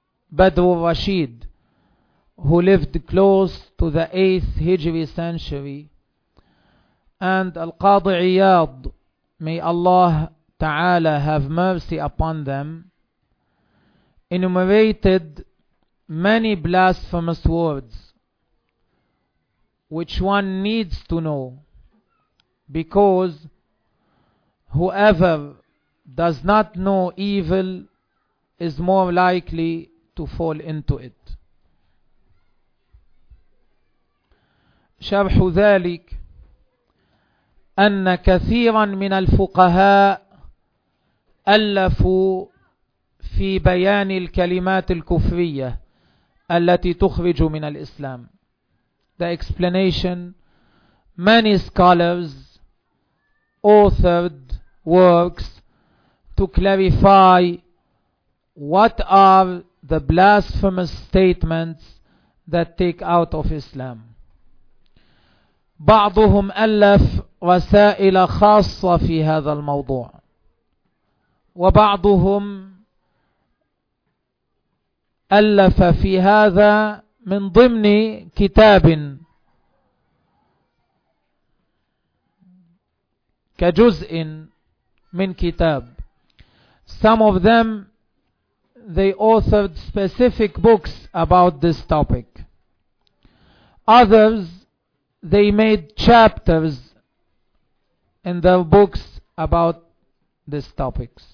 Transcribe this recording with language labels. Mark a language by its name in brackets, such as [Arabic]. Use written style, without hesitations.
[English] Badr al-Rashid, who lived close to the 8th Hijri century, and Al-Qadi Iyad, may Allah Ta'ala have mercy upon them, enumerated many blasphemous words which one needs to know, because whoever does not know evil is more likely to fall into it. [Arabic] شرح ذلك أن كثيرا من الفقهاء ألفوا في بيان الكلمات الكفرية التي تخرج من الإسلام. [English] The explanation: many scholars authored works to clarify what are the blasphemous statements that take out of Islam. [Arabic] بعضهم ألف رسائل خاصة في هذا الموضوع وبعضهم ألف في هذا من ضمن كتاب كجزء من كتاب. [English] Some of them, they authored specific books about this topic. Others, they made chapters in their books about this topic.